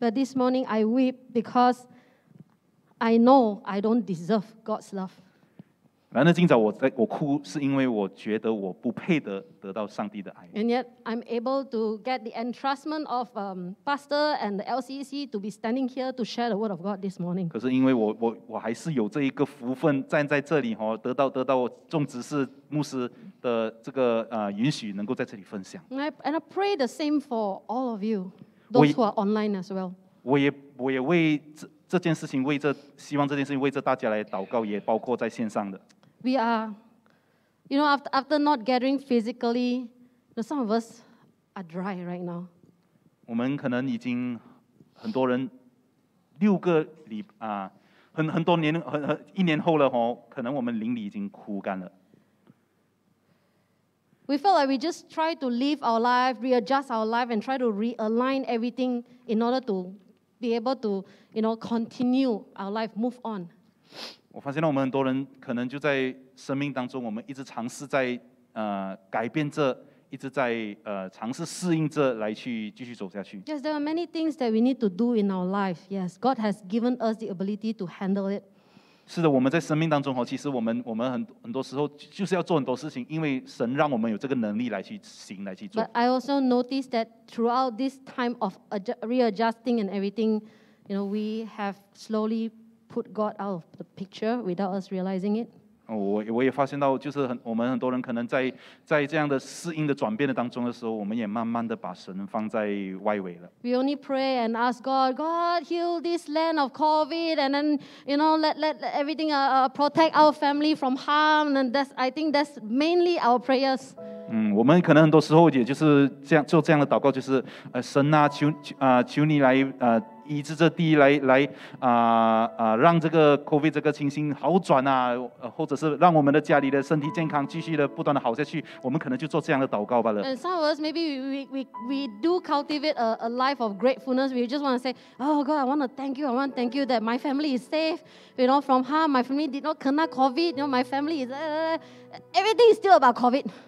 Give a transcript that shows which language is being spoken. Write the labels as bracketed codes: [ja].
[en] But this morning I weep because I know I don't deserve God's love. [zh] 然而今早我哭是因为我觉得我不配得到上帝的爱。 [en] And yet I'm able to get the entrustment of pastor and the LCC to be standing here to share the word of God this morning. [zh] 可是因为我还是有这一个福分站在这里，得到众执事牧师的这个允许能够在这里分享。 [en] And I pray the same for all of you, those who are online as well. [zh] 我也为这件事情，为这希望这件事情为这大家来祷告，也包括在线上的。 [en] We are, you know, after not gathering physically, you know, some of us are dry right now. [zh] 我们可能已经很多人六个礼很多年一年后了，可能我们灵里已经枯干了。 [en] We felt like we just try to live our life, readjust our life, and try to realign everything in order to be able to, you know, continue our life, move on. [zh] 我发现我们很多人可能就在生命当中，我们一直尝试在改变着，一直在尝试适应着来去继续走下去。 [en] Yes, there are many things that we need to do in our life. Yes, God has given us the ability to handle it. [zh] 是的，我们在生命当中其实我们很多时候就是要做很多事情，因为神让我们有这个能力来去行，来去做。 [en] But I also noticed that throughout this time of readjusting and everything, you know, we have slowly. Put God out of the picture without us realizing it. [zh] 我也发现到，就是我们很多人可能在这样的适应的转变的当中的时候，我们也慢慢的把神放在外围了。 [en] We only pray and ask God, God heal this land of COVID, and then you know let everything protect our family from harm, and that's I think that's mainly our prayers. [zh] 我们可能很多时候也就是这样做这样的祷告，就是神啊，求你来医治这地，来让这个 COVID 这个情形好转啊，或者是让我们的家里的身体健康继续的不断的好下去。我们可能就做这样的祷告罢了。 [en] And some of us maybe we do cultivate a life of gratefulness. We just want to say, Oh God, I want to thank you. I want to thank you that my family is safe. You know, from harm. My family did not kena COVID. You know, my family is everything is still about COVID.